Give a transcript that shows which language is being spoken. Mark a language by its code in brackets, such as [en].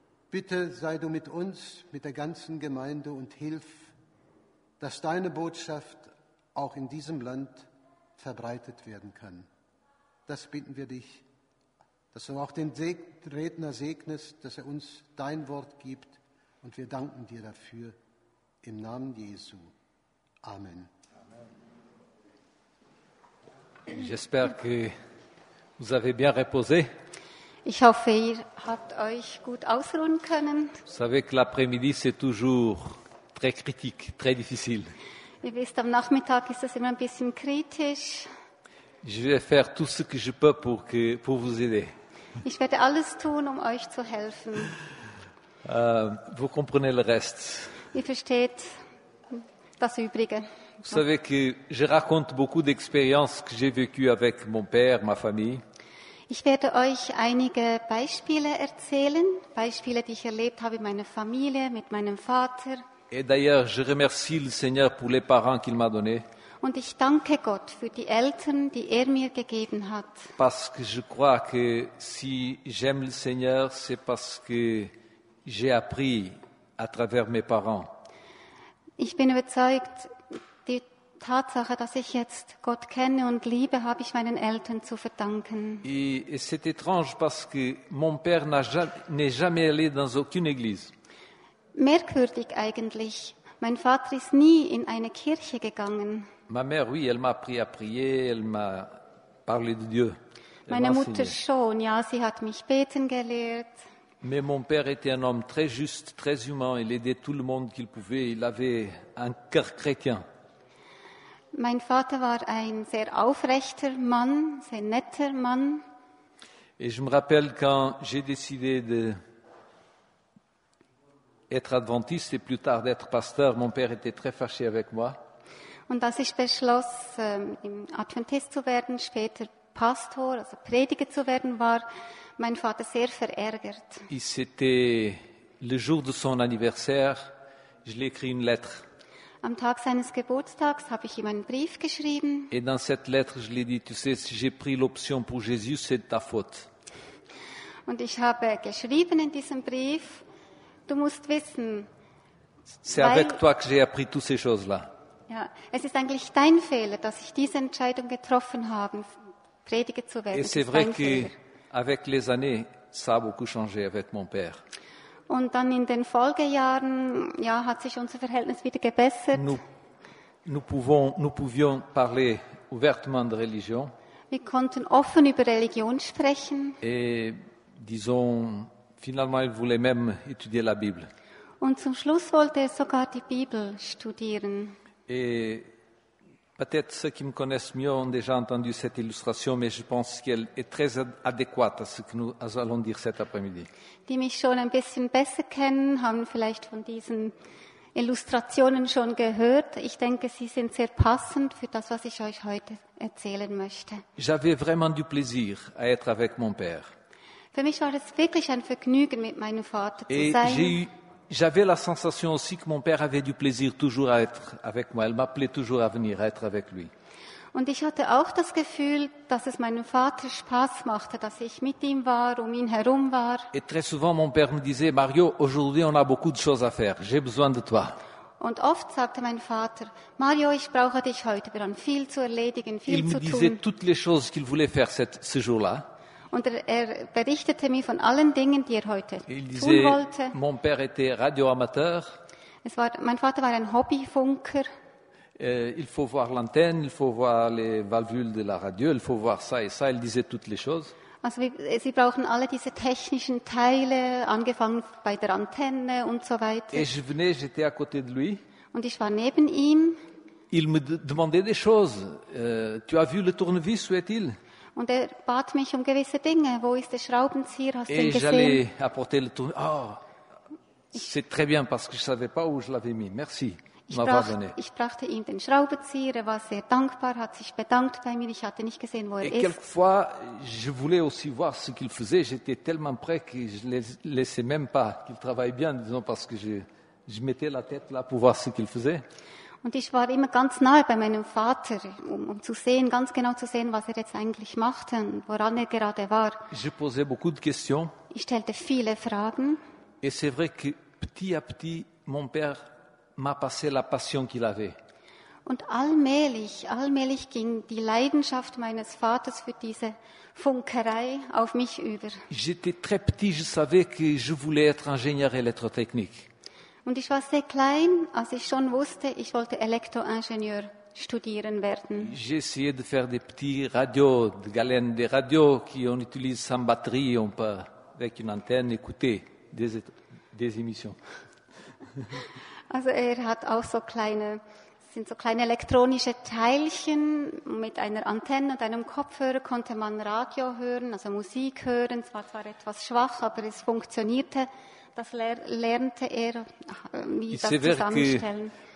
[de] Bitte sei du mit uns, mit der ganzen Gemeinde und hilf, dass deine Botschaft auch in diesem Land verbreitet werden kann. Das bitten wir dich, dass du auch den Redner segnest, dass er uns dein Wort gibt. Und wir danken dir dafür im Namen Jesu. Amen. [fr] J'espère que vous avez bien reposé. [de] Ich hoffe, ihr habt euch gut ausruhen können. [fr] Vous savez que l'après-midi c'est toujours très critique, très difficile. [de] Ihr wisst, am Nachmittag ist das immer ein bisschen kritisch. [fr] Je vais faire tout ce que je peux pour vous aider. [de] Ich werde alles tun, um euch zu helfen. [fr] Vous comprenez le reste. [de] Ihr versteht das Übrige. [fr] Vous savez que je raconte beaucoup d'expériences que j'ai vécues avec mon père, ma famille. [de] Ich werde euch einige Beispiele erzählen, Beispiele, die ich erlebt habe in meiner Familie, mit meinem Vater. [fr] Et d'ailleurs, je remercie le Seigneur pour les parents qu'il m'a donné. [de] Und ich danke Gott für die Eltern, die mir gegeben hat. [fr] Parce que je crois que si j'aime le Seigneur, c'est parce que j'ai appris à travers mes parents. [de] Ich bin überzeugt, die Tatsache, dass ich jetzt Gott kenne und liebe, habe ich meinen Eltern zu verdanken. [fr] Et c'est étrange parce que mon père n'est jamais allé dans aucune église. [de] Merkwürdig eigentlich. Mein Vater ist nie in eine Kirche gegangen. [fr] Ma mère, oui, elle m'a appris à prier, elle m'a parlé de Dieu. [de] Meine Mutter schon, ja, sie hat mich beten gelehrt. [fr] Mais mon père était un homme très juste, très humain. Il aidait tout le monde qu'il pouvait. Il avait un cœur chrétien. [de] Mein Vater war ein sehr aufrechter Mann, sehr netter Mann. [fr] Et je me rappelle quand j'ai décidé d'être adventiste et plus tard d'être pasteur, mon père était très fâché avec moi. [de] Und als ich beschloss, Adventist zu werden, später Pastor, also Prediger zu werden, war mein Vater sehr verärgert. [fr] C'était le jour de son anniversaire, je l'ai écrit une lettre. [de] Am Tag seines Geburtstags habe ich ihm einen Brief geschrieben. [fr] Et dans cette lettre, je l'ai dit, tu sais, si j'ai pris l'option pour Jésus, c'est ta faute. [de] Und ich habe geschrieben in diesem Brief, du musst wissen, [fr] c'est avec toi que j'ai appris toutes ces choses-là. [de] Ja, es ist eigentlich dein Fehler, dass ich diese Entscheidung getroffen habe, Prediger zu werden. [fr] Et c'est vrai que avec les années, ça a beaucoup changé avec mon père. [de] Und dann in den Folgejahren, ja, hat sich unser Verhältnis wieder gebessert. [fr] Nous pouvions parler ouvertement de religion. [de] Wir konnten offen über Religion sprechen. [fr] Et disons, finalement, il voulait même étudier la Bible. [de] Und zum Schluss wollte er sogar die Bibel studieren. [fr] Et peut-être ceux qui me connaissent mieux ont déjà entendu cette illustration, mais je pense qu'elle est très adéquate à ce que nous allons dire cet après-midi. [de] Die mich schon ein bisschen besser kennen, haben vielleicht von diesen Illustrationen schon gehört. Ich denke, sie sind sehr passend für das, was ich euch heute erzählen möchte. [fr] J'avais vraiment du plaisir à être avec mon père. [de] Für mich war es wirklich ein Vergnügen, mit meinem Vater [fr] et [de] zu sein. [fr] J'avais la sensation aussi que mon père avait du plaisir toujours à être avec moi. Elle m'appelait toujours à venir, à être avec lui. [de] Und ich hatte auch das Gefühl, dass es meinem Vater Spaß machte, dass ich mit ihm war, um ihn herum war. [fr] Et très souvent, mon père me disait, Mario, aujourd'hui, on a beaucoup de choses à faire. J'ai besoin de toi. [de] Und oft sagte mein Vater, Mario, ich brauche dich heute. Wir haben viel zu erledigen, viel zu tun. [fr] Il me disait toutes les choses qu'il voulait faire ce jour-là. [de] Und er berichtete mir von allen Dingen, die er heute tun wollte. [fr] Mon père était radioamateur. [de] Mein Vater war ein Hobbyfunker. [fr] Il faut voir l'antenne, il faut voir les valvules de la radio, il faut voir ça et ça. Elle disait toutes les choses. [de] Also, sie brauchen alle diese technischen Teile, angefangen bei der Antenne und so weiter. [fr] Et je venais, j'étais à côté de lui. [de] Und ich war neben ihm. [fr] Il me demandait des choses. Tu as vu le tournevis, où est-il? [de] Und er bat mich um gewisse Dinge. Wo ist der Schraubenzieher? Hast du ihn gesehen? [fr] Et j'allais apporter le tournevis. Oh, c'est très bien parce que je savais pas où je l'avais mis. Merci. [de] Ich brachte ihm den Schraubenzieher, er war sehr dankbar, hat sich bedankt bei mir, ich hatte nicht gesehen, wo er ist. [fr] Et quelquefois, je voulais aussi voir ce qu'il faisait, j'étais tellement prêt que je ne laissais même pas qu'il travaille bien, disons, parce que je mettais la tête là pour voir ce qu'il faisait. [de] Und ich war immer ganz nahe bei meinem Vater, um zu sehen, ganz genau zu sehen, was er jetzt eigentlich machte und woran er gerade war. [fr] Je posais beaucoup de questions. [de] Ich stellte viele Fragen. [fr] Et c'est vrai que petit à petit, mon père m'a passé la passion qu'il avait. [de] Und allmählich ging die Leidenschaft meines Vaters für diese Funkerei auf mich über. [fr] J'étais très petit, je savais que je voulais être ingénieur électrotechnique. [de] Und ich war sehr klein, als ich schon wusste, ich wollte Elektroingenieur studieren werden. [fr] J'ai essayé de faire des petits radios, de galènes, des radios qu'on utilise sans batterie, on peut, avec une antenne, écouter des émissions. [de] Also er hat auch so kleine, sind so kleine elektronische Teilchen mit einer Antenne und einem Kopfhörer konnte man Radio hören, also Musik hören. Es war zwar etwas schwach, aber es funktionierte. Das lernte er, wie das zusammenstellen.